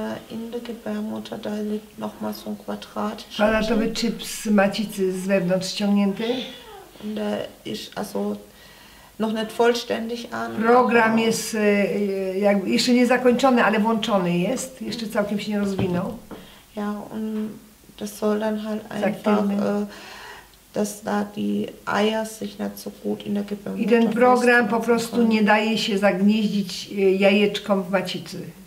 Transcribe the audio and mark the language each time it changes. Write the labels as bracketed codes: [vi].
[de] In der Gebärmutter, da liegt noch mal so ein Quadrat. [pl] Kwadratowy czyp z macicy z wewnątrz ściągnięty. [de] Und der ist also noch nicht vollständig an. [pl] Program jest jakby jeszcze nie zakończony, ale włączony jest. Jeszcze całkiem się nie rozwinął. [de] Ja, und das soll dann halt einfach, dass da die Eier sich nicht so gut in der Gebärmutter. [pl] I ten program po prostu nie daje się zagnieździć jajeczkom w macicy.